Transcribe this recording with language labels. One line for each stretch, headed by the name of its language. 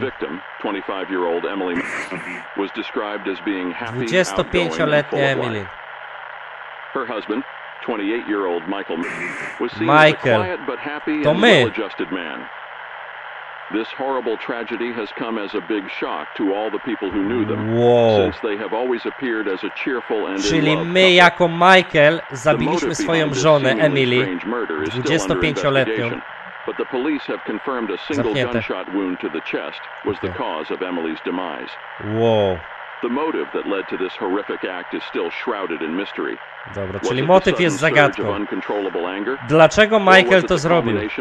English: The victim, 25-year-old Emily, was described as being happy,
Polish: 25-letnia Emily.
English: Her husband, 28-year-old Michael, was seen as a quiet but happy and well-adjusted man. This horrible tragedy has come as a big shock to all the people who knew them. Wow. Since they have always appeared as a cheerful and
Polish: Czyli my jako Michael zabiliśmy swoją żonę Emily, 25-letnią.
English: But the police have confirmed a single gunshot wound to the chest was the cause of Emily's demise. Wow. The motive that led to this horrific act is still shrouded in mystery.
Polish: Dobra, czyli motyw jest zagadką. Dlaczego Michael to zrobił?